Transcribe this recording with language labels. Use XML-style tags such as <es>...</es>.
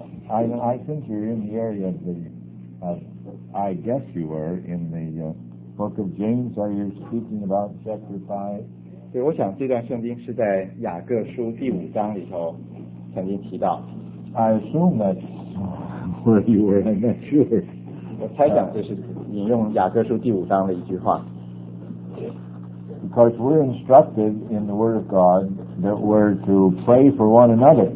<en>I think you're in the area of the, I guess you were in the. Book of James, are you speaking about chapter 5?</en> <zh>对，我想这段圣经是在雅各书第五章里头曾经提到。</zh> <en>I assume that where you were, I'm not sure.</en> <zh>我猜想这是引用雅各书第五章的一句话。</zh> <en>Because we're instructed in the Word of God that we're to pray for one another.</en>